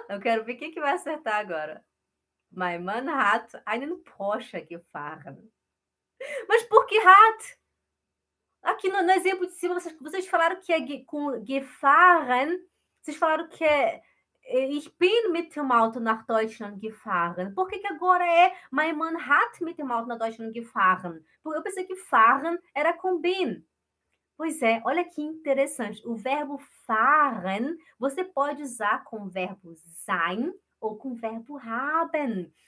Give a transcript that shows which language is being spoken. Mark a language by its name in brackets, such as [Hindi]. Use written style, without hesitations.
[Portuguese] Eu quero ver quem que vai acertar agora. [German] Mein Mann hat einen Porsche gefahren. [Portuguese] Mas por que hat? Aqui no exemplo de cima, vocês falaram que é com gefahren, vocês falaram que é [German] ich bin mit dem Auto nach Deutschland gefahren. [Portuguese] Por que que agora é [German] mein Mann hat mit dem Auto nach Deutschland gefahren? [Portuguese] Porque eu pensei que fahren era com bin. Pois é, olha que interessante. O verbo fahren você pode usar com o verbo sein ou com o verbo haben.